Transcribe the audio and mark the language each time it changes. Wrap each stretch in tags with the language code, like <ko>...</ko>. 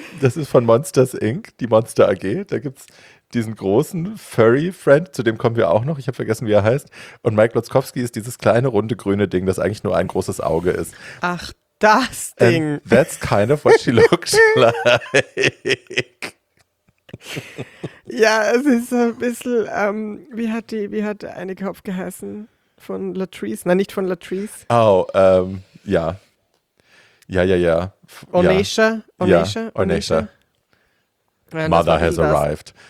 <de>Das ist von Monsters Inc., die Monster AG, da gibt's diesen großen Furry-Friend, zu dem kommen wir auch noch, ich habe vergessen, wie er heißt. Und Mike Lotzkowski ist dieses kleine, runde, grüne Ding, das eigentlich nur ein großes Auge ist. Ach, das Ding.</de> <en>And that's kind of what she looks like.</en> <de>Ja, es ist so ein bisschen, wie hat eine Kopf geheißen? Von Latrice? Nein, nicht von Latrice. Oh, ja. Ja. Onesha.</de> <en>Ja, Mother has arrived.</en>